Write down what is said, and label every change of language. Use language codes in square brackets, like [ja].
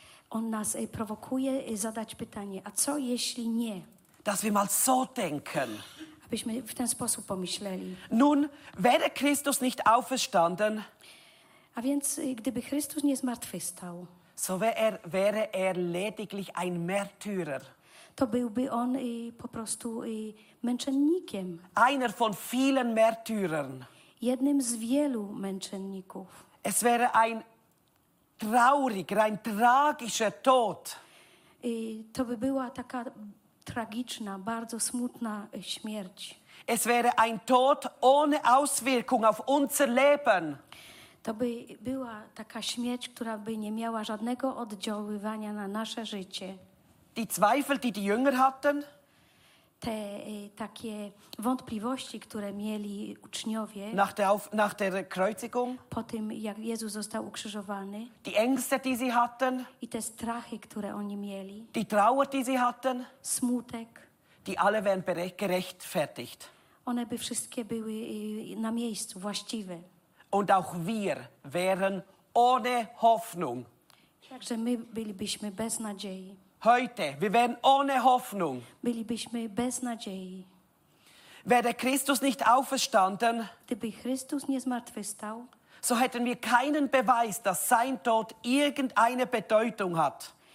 [pl] On nas prowokuje zadać pytanie, a co jeśli nie? [de] Dass wir mal so denken. [pl] Abyśmy w ten sposób pomyśleli. [de] Nun, wäre Christus nicht auferstanden, [pl] a więc gdyby Chrystus nie zmartwychwstał, [de] so wäre er lediglich ein Märtyrer. [pl] To byłby on po prostu męczennikiem. [de] Einer von vielen Märtyrern. [pl] Jednym z wielu męczenników. [de] Es wäre ein trauriger, ein tragischer Tod. [pl] To by była taka tragiczna, bardzo smutna śmierć. [de] Es wäre ein Tod ohne Auswirkung auf unser Leben. [pl] To by była taka śmierć, która by nie miała żadnego oddziaływania na nasze życie. [de] Die Zweifel, die Jünger hatten, [pl] te takie wątpliwości, które mieli uczniowie [de] nach der Kreuzigung, [pl] po tym, jak Jezus został ukrzyżowany, [de] die Ängste, die sie hatten, [pl] i te strachy, które oni mieli, [de] die Trauer, die sie hatten, [pl] smutek, [de] die alle wären gerechtfertigt. [pl] One by wszystkie były na miejscu, właściwe. [de] Und auch wir wären ohne Hoffnung. [pl] Także my bylibyśmy bez nadziei. [de] Heute, wir wären ohne Hoffnung. [pl] Bylibyśmy bez nadziei. [de] Wäre Christus nicht auferstanden, [pl] gdyby Chrystus nie zmartwychwstał, [de] so hätten wir keinen Beweis, dass sein Tod irgendeine Bedeutung hat.